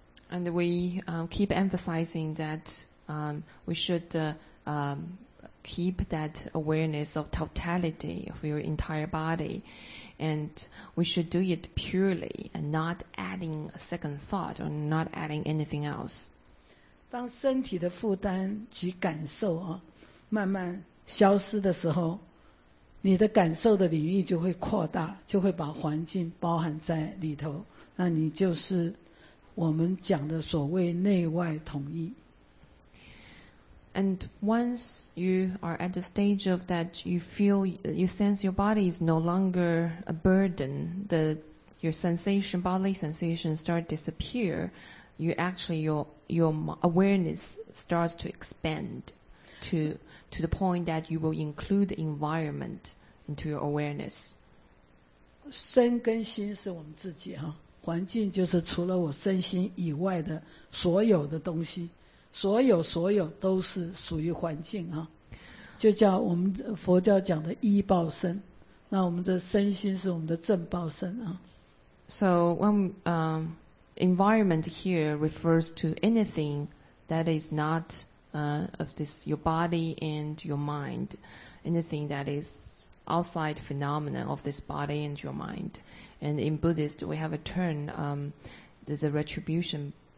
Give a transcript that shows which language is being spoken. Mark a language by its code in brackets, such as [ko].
[en] And we keep emphasizing that we should keep that awareness of totality of your entire body, and we should do it purely and not adding a second thought or not adding anything else. [zh] 当身体的负担及感受啊慢慢消失的时候，你的感受的领域就会扩大，就会把环境包含在里头，那你就是我们讲的所谓内外统一。 [en] And once you are at the stage of that, you feel, you sense your body is no longer a burden, your sensation, bodily sensation start disappear, you actually, your awareness starts to expand to the point that you will include the environment into your awareness. [zh] 身跟心是我们自己啊，环境就是除了我身心以外的所有的东西。所有所有都是属于环境啊，就叫我们佛教讲的依报身，那我们的身心是我们的正报身啊。 [en] So when environment here refers to anything that is not of this your body and your mind, anything that is outside phenomena of this body and your mind, and in Buddhist we have a term there's a retribution.